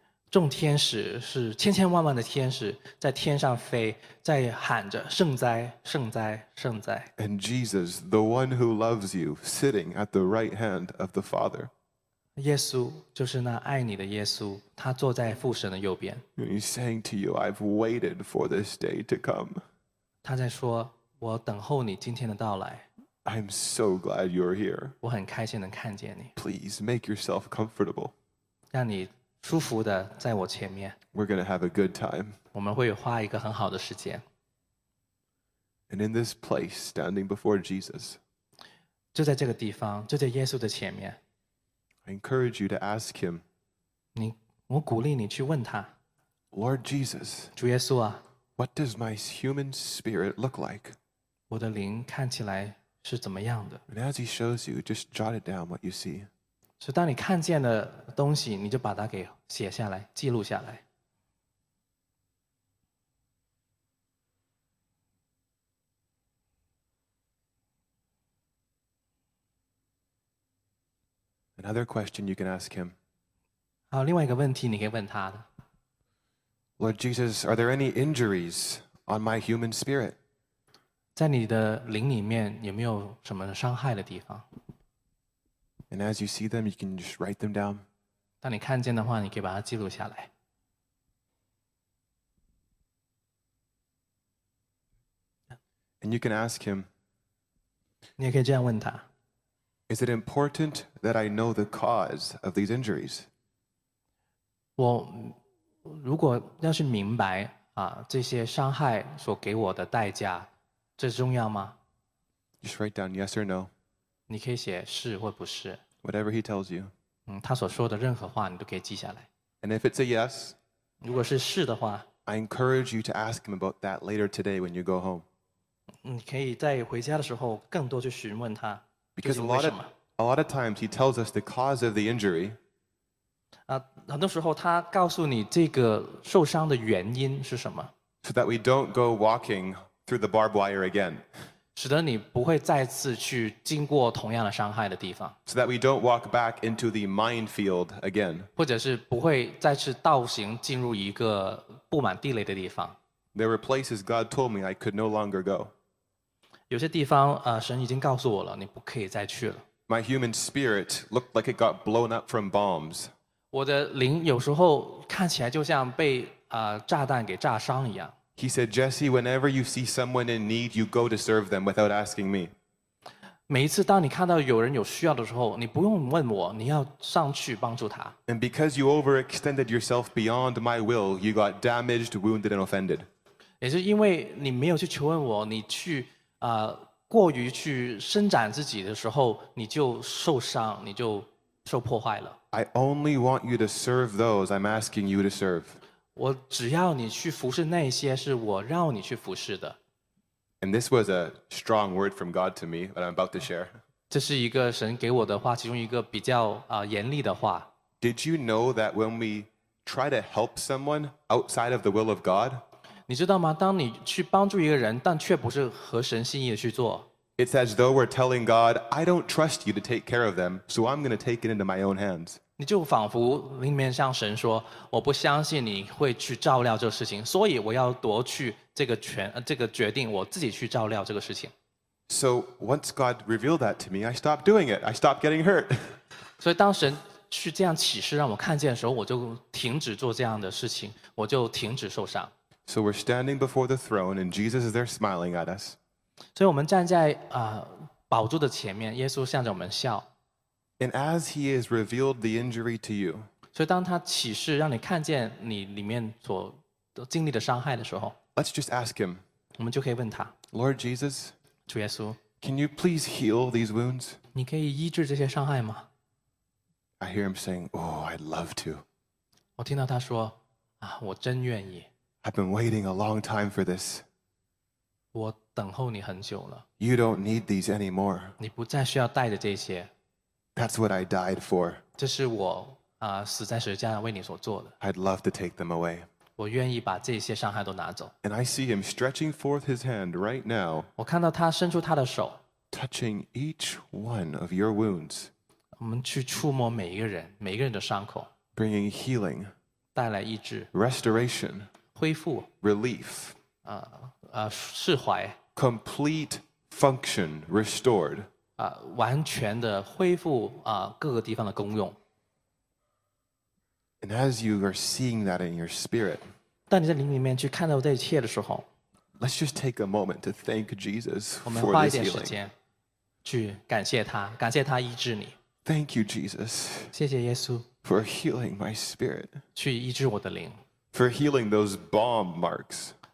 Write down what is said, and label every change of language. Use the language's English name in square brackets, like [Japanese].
[Chinese] 众天使是千千万万的天使在天上飞，在喊着圣哉，圣哉，圣哉。 [English] And Jesus, the one who loves you, sitting at the right hand of the Father. [Chinese] 耶稣就是那爱你的耶稣，他坐在父神的右边。 [English] And he's saying to you, I've waited for this day to come. [Chinese] 他在说，我等候你今天的到来。 [English] I'm so glad you're here. [Chinese] 我很开心能看见你。 [English] Please make yourself comfortable. [Chinese] 让你舒服的在我前面。 [English] We're going to have a good time. [Chinese] 我们会花一个很好的时间。 [English] And in this place, standing before Jesus, [Chinese] 就在这个地方，就在耶稣的前面。 [English] I encourage you to ask him, [Chinese] 我鼓励你去问他。 [English] Lord Jesus, [Chinese] 主耶稣啊， [English] what does my human spirit look like? [Chinese] 我的灵看起来是怎么样的？ [English] And as he shows you, just jot it down what you see. [Chinese] 所以当你看见的东西，你就把它给写下来，记录下来。 [English] Another question you can ask him. [Chinese] 好，另外一个问题你可以问他的。 [English] Lord Jesus, are there any injuries on my human spirit? [Chinese] 在你的灵里面有没有什么伤害的地方？ [English] And as you see them, you can just write them down. [Chinese] 当你看见的话，你可以把它记录下来。 [English] And you can ask him. [Chinese] 你也可以这样问他。 [English] Is it important that I know the cause of these injuries? [Chinese] 我如果要是明白啊，这些伤害所给我的代价，这重要吗？ [English] Just write down yes or no. [Chinese] 你可以写是或不是。 [English] Whatever he tells you. [Chinese] 他所说的任何话你都可以记下来。 [English] And if it's a yes, [Chinese] 如果是是的话， [English] I encourage you to ask him about that later today when you go home. [Chinese] 你可以在回家的时候更多去询问他。 [English] Because a lot of times he tells us the cause of the injury. [Chinese] 很多时候他告诉你这个受伤的原因是什么。 [English] So that we don't go walking through the barbed wire again. [Chinese] 使得你不会再次去经过同样的伤害的地方。 [English] So that we don't walk back into the minefield again. [Chinese] 或者是不会再次倒行进入一个布满地雷的地方。 [English] There were places God told me I could no longer go. [Chinese] 有些地方神已经告诉我了你不可以再去了。 [English] My human spirit looked like it got blown up from bombs. [Chinese] 我的灵有时候看起来就像被炸弹给炸伤一样。 [English] He said, Jesse, whenever you see someone in need, you go to serve them without asking me. [Chinese] 每一次当你看到有人有需要的时候你不用问我你要上去帮助他。 [English] And because you overextended yourself beyond my will, you got damaged, wounded, and offended. [Chinese] 也是因为你没有去求问我你去过于去伸展自己的时候你就受伤你就受破坏了。 [English] I only want you to serve those I'm asking you to serve. [Chinese] 我只要你去服侍那些是我让你去服侍的。 [English] And this was a strong word from God to me that I'm about to share. [Chinese] 这是一个神给我的话其中一个比较严厉的话。 [English] Did you know that when we try to help someone outside of the will of God, [Chinese] 你知道吗？当你去帮助一个人，但却不是合神心意的去做 [English] ，It's as though we're telling God, I don't trust you to take care of them, so I'm going to take it into my own hands. [Chinese] 你就仿佛灵里面向神说，我不相信你会去照料这个事情，所以我要夺去这个权，这个决定，我自己去照料这个事情。 [English] So once God revealed that to me, I stopped doing it. I stopped getting hurt. [Chinese] 所以当神去这样启示让我看见的时候，我就停止做这样的事情，我就停止受伤。 [English] So we're standing before the throne, and Jesus is there smiling at us. [Chinese] 所以我们站在宝座的前面，耶稣向着我们笑。 [English] And as he has revealed the injury to you, [Chinese] 所以当他启示让你看见你里面所经历的伤害的时候， [English] Let's just ask him. [Chinese] 我们就可以问他， [English] Lord Jesus, [Chinese] 主耶稣， [English] Can you please heal these wounds? [Chinese] 你可以医治这些伤害吗？ [English] I hear him saying, Oh, I'd love to. [Chinese] 我听到他说，啊，我真愿意。 [English] I've been waiting a long time for this. [Chinese] 我等候你很久了。 [English] You don't need these anymore. [Chinese] 你不再需要带着这些。 [English] That's what I died for. [Chinese] 这是我死在十字架为你所做的。 [English] I'd love to take them away. [Chinese] 我愿意把这些伤害都拿走。 [English] And I see him stretching forth his hand right now. [Chinese] 我看到他伸出他的手。 [English] Touching each one of your wounds. [Chinese] 我们去触摸每一个人，每一个人的伤口。 [English] Bringing healing. [Chinese] 带来医治。 [English] Restoration. [Chinese] 恢复。 [English] Relief. [Chinese] 释怀。 [English] Complete function restored. [Chinese] 完全的恢复各个地方的功用。 [English] And as you are seeing that in your spirit, [Chinese] 当你在灵里面去看到这一切的时候， [English] let's just take a moment to thank Jesus for this healing. [Chinese] 我们花一点时间去感谢他，感谢他医治你。 [English] Thank you, Jesus. [Chinese] 谢谢耶稣。 [English] For healing my spirit. [Chinese] 去医治我的灵。 [English] For healing those bomb marks.